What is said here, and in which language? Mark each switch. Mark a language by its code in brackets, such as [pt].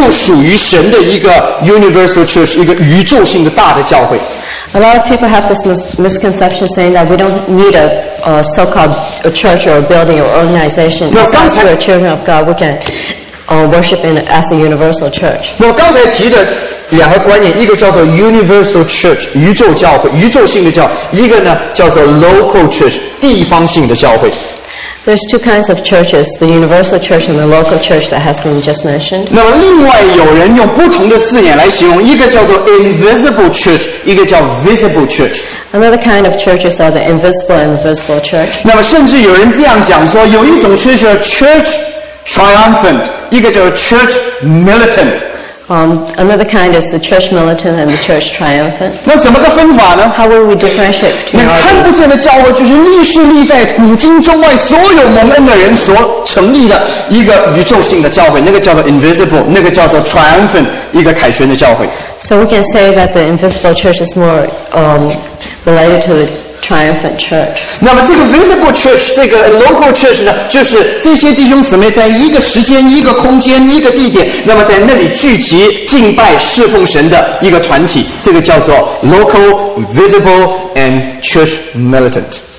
[zh] 我们不需要有个有形的教会，我们不需要到一个地方去聚会。我们今天凡是蒙恩的人，就属于神的一个 universal church， 一个宇宙性的大的教会。 [en] A lot of people have this misconception saying that we don't need a so-called a church or a building or organization. As we are children of God, we can worship in as a universal church. [zh] 我刚才提的两个观念，一个叫做 universal church， 宇宙教会，宇宙性的教；一个呢叫做 local church， 地方性的教会。 [en] There's two kinds of churches, the universal church and the local church that has been just mentioned. [zh] 那么另外有人用不同的字眼来形容，一个叫做 invisible church， 一个叫 visible church. [en] Another kind of churches are the invisible and the visible church. [zh] 那么甚至有人这样讲说，有一种church triumphant， 一个叫 church militant. [en] Another kind is the church militant and the church triumphant. [zh] 那怎么个分法呢？ [en] How will we differentiate between these? [zh] 那看不见的教会就是历世历代古今中外所有蒙恩的人所成立的一个宇宙性的教会，那个叫做 invisible， 那个叫做 triumphant， 一个凯旋的教会。 [en] So we can say that the invisible church is more related to the triumphant church. [zh] 那么这个 visible church， 这个 local church 呢，就是这些弟兄姊妹在一个时间、一个空间、一个地点，那么在那里聚集敬拜侍奉神的一个团体，这个叫做 [en] local visible and church militant.